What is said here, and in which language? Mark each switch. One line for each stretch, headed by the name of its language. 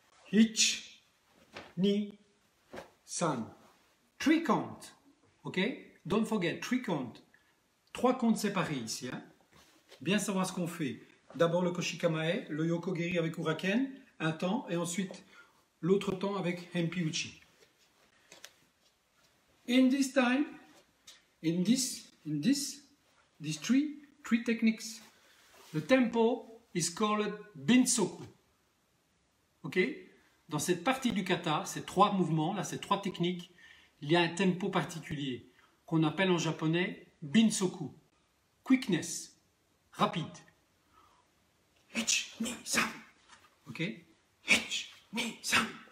Japanese: Ich, ni, san.
English: Three count. OK? Don't forget, three count.
French: Trois comptes séparés ici. Hein? Bien savoir ce qu'on fait. D'abord le Koshi Kamae, le Yokogeri avec Uraken, un temps, et ensuite l'autre temps avec Empiuchi.
English: In this time, in this three techniques, the tempo is called Binsoku. OK?
French: Dans cette partie du kata, ces trois mouvements, là, ces trois techniques, il y a un tempo particulier qu'on appelle en japonais binsoku, quickness, rapide.
Japanese: Hitch, ni, sam.
English: Ok.
Japanese: Hitch, ni, sam.